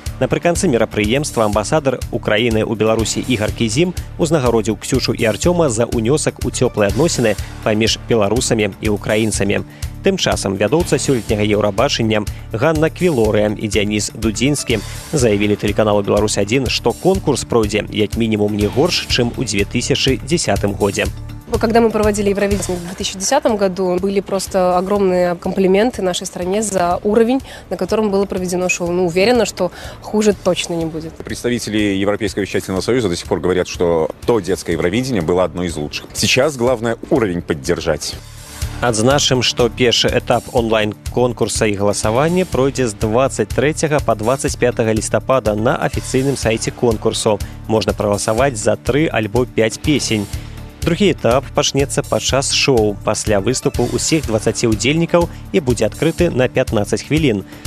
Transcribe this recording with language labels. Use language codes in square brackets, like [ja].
[be] Напрыканцы мерапрыемства амбасадар Украіны ў Беларусі Ігар Кізім узнагародзіў Ксюшу і Артёма за ўнёсак у цёплыя адносіны паміж беларусамі і украінцамі. Тым часам вядоўца сёлетняга Еўрабачання Ганна Квілорыя і Дзяніс Дудзінскі заявілі тэлеканалу «Беларусь-1», што конкурс пройдзе як мінімум не горш, чым у 2010 годзе. [ru] Когда мы проводили Евровидение в 2010 году, были просто огромные комплименты нашей стране за уровень, на котором было проведено шоу. Ну, уверена, что хуже точно не будет. Представители Европейского вещательного союза до сих пор говорят, что то детское Евровидение было одно из лучших. Сейчас главное уровень поддержать. [be] Адзначым, што першы этап онлайн-конкурса і галасавання пройдзе з 23 па 25 лістапада на афіцыйным сайце конкурсу. Можна прагаласаваць за 3 альбо 5 песень. Другі этап пачнецца падчас шоу, пасля выступу ўсіх 20 удзельнікаў і будзе адкрыты на 15 хвілін.